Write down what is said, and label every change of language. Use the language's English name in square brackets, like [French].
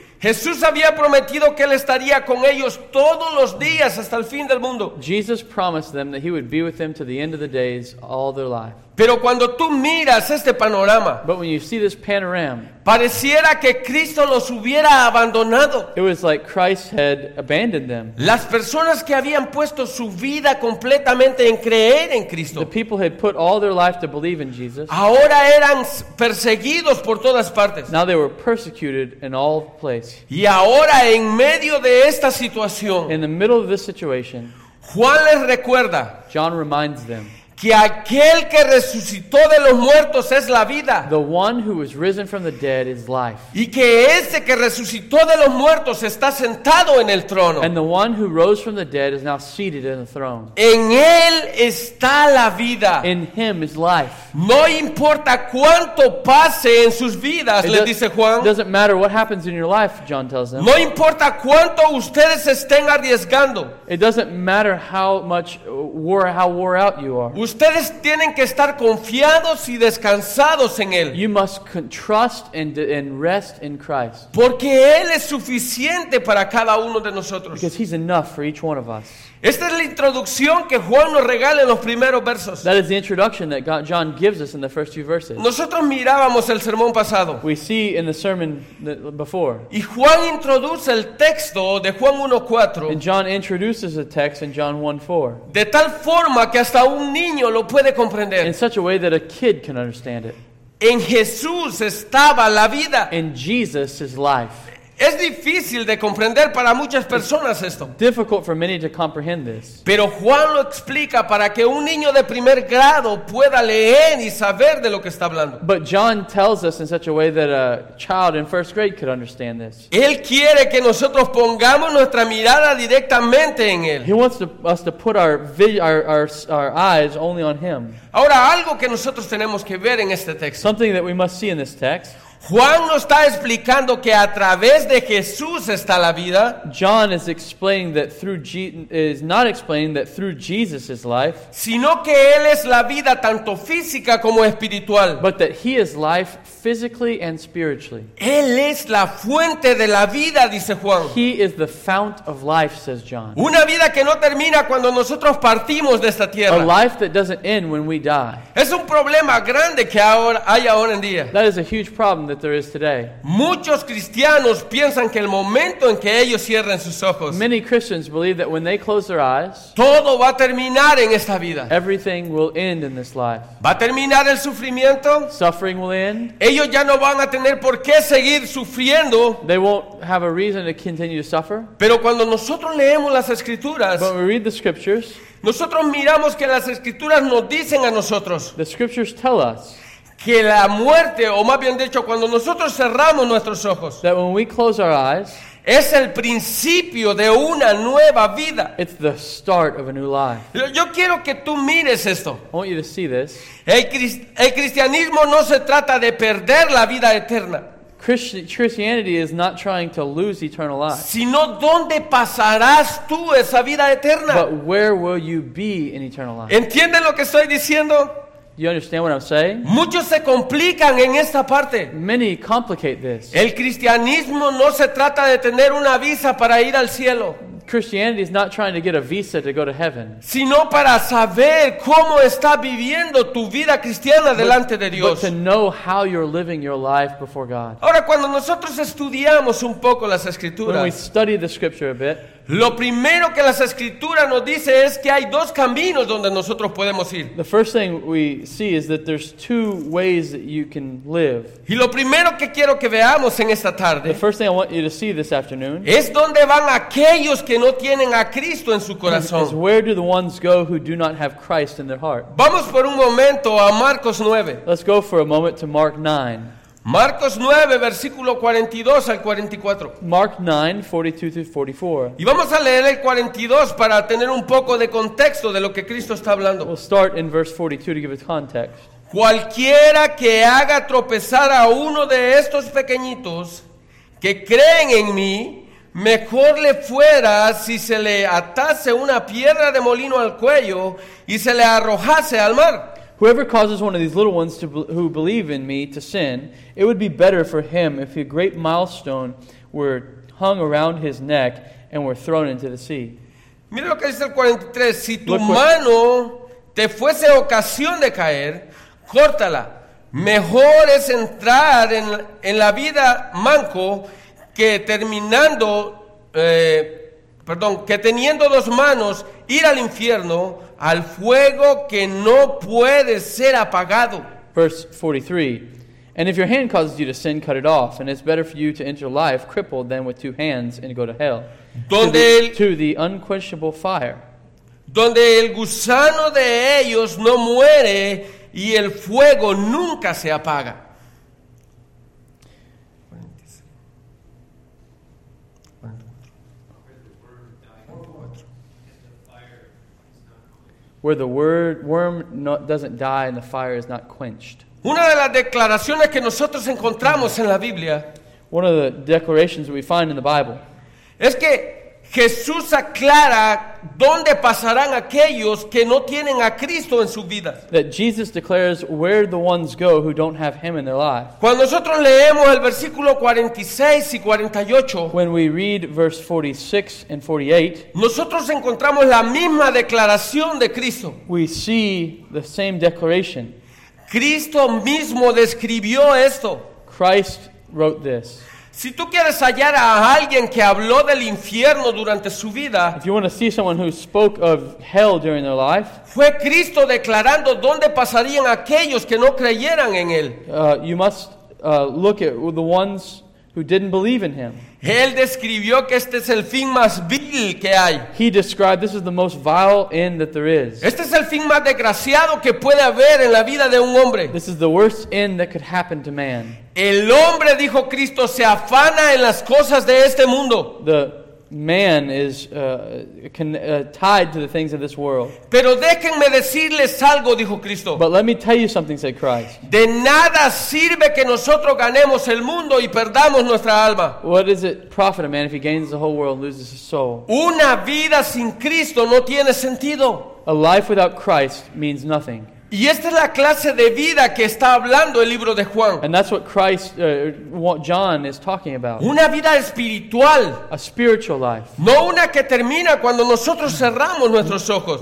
[Spanish] Jesús había prometido que él estaría con ellos todos los días hasta el fin del mundo. [English] Jesus promised them that he would be with them to the end of the days all their life. [Spanish] Pero cuando tú miras este panorama, [English] but when you see this panorama, [Spanish] pareciera que Cristo los hubiera abandonado. [English] It was like Christ had abandoned them. [Spanish] Las personas que habían puesto su vida completamente en creer en Cristo, [English] the people had put all their life to believe in Jesus, [Spanish] ahora eran perseguidos por todas partes. [English] Now they were persecuted in all places. [Spanish] Y ahora en medio de esta situación, [English] in the middle of this situation, [Spanish] Juan les recuerda, [English] John reminds them, [Spanish] que aquel que resucitó de los muertos es la vida. [English] The one who was risen from the dead is life. [Spanish] Y que ese que resucitó de los muertos está sentado en el trono. [English] And the one who rose from the dead is now seated in the throne. [Spanish] En él está la vida. [English] In him is life. [Spanish] No importa cuánto pase en sus vidas, le dice Juan. [English] It doesn't matter what happens in your life, John tells them. [Spanish] No importa cuánto ustedes estén arriesgando. [English] It doesn't matter how much wore out you are. [Spanish] Ustedes tienen que estar confiados y descansados en él. [English] You must trust and rest in Christ. [Spanish] Porque él es suficiente para cada uno de nosotros. [English] Because he's enough for each one of us. [Spanish] Esta es la introducción que Juan nos regala en los primeros versos. [English] That is the introduction that John gives us in the first few verses. [Spanish] Nosotros mirábamos el sermón pasado. [English] We see in the sermon before. [Spanish] Y Juan introduce el texto de Juan 1:4. [English] And John introduces a text in John 1:4. [Spanish] De tal forma que hasta un niño lo puede comprender. [English] In such a way that a kid can understand it. [Spanish] En Jesús estaba la vida. [English] In Jesus is life. [Spanish] Es difícil de comprender para muchas personas esto. [English] Difficult for many to comprehend this. [Spanish] Pero Juan lo explica para que un niño de primer grado pueda leer y saber de lo que está hablando. [English] But John tells us in such a way that a child in first grade could understand this. [Spanish] Él quiere que nosotros pongamos nuestra mirada directamente en él. [English] He wants us to put our eyes only on him. [Spanish] Ahora, algo que nosotros tenemos que ver en este texto. [English] Something that we must see in this text. [Spanish] Juan nos está explicando que a través de Jesús está la vida. [English] John is explaining that through is not explaining that through Jesus is life, [Spanish] sino que él es la vida tanto física como espiritual. [English] But that he is life physically and spiritually. [Spanish] Él es la fuente de la vida, dice Juan. [English] He is the fount of life, says John. [Spanish] Una vida que no termina cuando nosotros partimos de esta tierra. [English] A life that doesn't end when we die. [Spanish] Es un problema grande que ahora hay ahora en día. [English] That is a huge problem that there is today. [Spanish] Muchos cristianos piensan que el momento en que ellos cierren sus ojos, [English] many Christians believe that when they close their eyes, [Spanish] todo va a terminar en esta vida. [English] Everything will end in this life. [Spanish] Va a terminar el sufrimiento. [English] Suffering will end. [Spanish] Ellos ya no van a tener por qué seguir sufriendo. [English] They won't have a reason to continue to suffer. [Spanish] Pero cuando nosotros leemos las escrituras, [English] but we read the scriptures, [Spanish] nosotros miramos que las escrituras nos dicen a nosotros, [English] the scriptures tell us, [Spanish] que la muerte, o más bien dicho, cuando nosotros cerramos nuestros ojos, [English] that when we close our eyes, [Spanish] es el principio de una nueva vida. [English] It's the start of a new life. [Spanish] Yo quiero que tú mires esto. [English] I want you to see this. [Spanish] El cristianismo no se trata de perder la vida eterna. [English] Christianity is not trying to lose eternal life. [Spanish] Sino dónde pasarás tú esa vida eterna. [English] But where will you be in eternal life? [Spanish] ¿Entienden lo que estoy diciendo? [English] You understand what I'm saying? [Spanish] Muchos se complican en esta parte. [English] Many complicate this. [Spanish] El cristianismo no se trata de tener una visa para ir al cielo. [English] Christianity is not trying to get a visa to go to heaven. [Spanish] Sino para saber cómo está viviendo tu vida cristiana delante de Dios. [English] But to know how you're living your life before God. [Spanish] Ahora, cuando nosotros estudiamos un poco las escrituras, [English] when we study the scripture a bit, [Spanish] lo primero que las escrituras nos dice es que hay dos caminos donde nosotros podemos ir. [English] The first thing we see is that there's two ways that you can live. [Spanish] Y lo primero que quiero que veamos en esta tarde, [English] the first thing I want you to see this afternoon, [Spanish] es dónde van aquellos que no tienen a Cristo en su corazón. [English] Is where do the ones go who do not have Christ in their heart? [Spanish] Vamos por un momento a Marcos 9. [English] Let's go for a moment to Mark 9. [Spanish] Marcos 9, versículo 42 al 44. [English] Mark 9, 42-44. [Spanish] Y vamos a leer el 42 para tener un poco de contexto de lo que Cristo está hablando. [English] We'll start in verse 42 to give it context. [Spanish] Cualquiera que haga tropezar a uno de estos pequeñitos que creen en mí, mejor le fuera si se le atase una piedra de molino al cuello y se le arrojase al mar. [English] Whoever causes one of these little ones who believe in me to sin, it would be better for him if a great millstone were hung around his neck and were thrown into the sea. [Spanish] Mira lo que dice el 43. Si tu mano te fuese ocasión de caer, córtala. Mejor es entrar en la vida manco que terminando, que teniendo dos manos ir al infierno, al fuego que no puede ser apagado. [English] Verse 43. And if your hand causes you to sin, cut it off. And it's better for you to enter life crippled than with two hands and go to hell. [Spanish] Donde [English] to the unquenchable fire. [Spanish] donde el gusano de ellos no muere y el fuego nunca se apaga. [English] Where the worm doesn't die and the fire is not quenched. [Spanish] Una de las declaraciones que nosotros encontramos en la Biblia, [English] one of the declarations that we find in the Bible, [Spanish] es que Jesús aclara dónde pasarán aquellos que no tienen a Cristo en sus vidas. [English] That Jesus declares where the ones go who don't have him in their life. [Spanish] Cuando nosotros leemos el versículo 46 y 48, [English] when we read verse 46 and 48, [Spanish] nosotros encontramos la misma declaración de Cristo. [English] We see the same declaration. [Spanish] Cristo mismo describió esto. [English] Christ wrote this. [Spanish] Si tú quieres hallar a alguien que habló del infierno durante su vida, [English] if you want to see someone who spoke of hell during their life, [Spanish] fue Cristo declarando dónde pasarían aquellos que no creyeran en él. [English] You must look at the ones who didn't believe in him. [Spanish] Él describió que este es el fin más vil que hay. [English] He described this is the most vile end that there is. [Spanish] Este es el fin más desgraciado que puede haber en la vida de un hombre. [English] This is the worst end that could happen to man. [Spanish] El hombre, dijo Cristo, se afana en las cosas de este mundo. [English] The man is tied to the things of this world. [Spanish] Pero déjenme decirles algo, dijo Cristo. [English] But let me tell you something, said Christ. [Spanish] De nada sirve que nosotros ganemos el mundo y perdamos nuestra alma. [English] What does it profit a man if he gains the whole world and loses his soul? [Spanish] Una vida sin Cristo no tiene sentido. [English] A life without Christ means nothing. [Spanish] Y esta es la clase de vida que está hablando el libro de Juan. [English] And that's what Christ, what John is talking about. [Spanish] Una vida espiritual. [English] A spiritual life. [Spanish] No una que termina cuando nosotros cerramos nuestros ojos.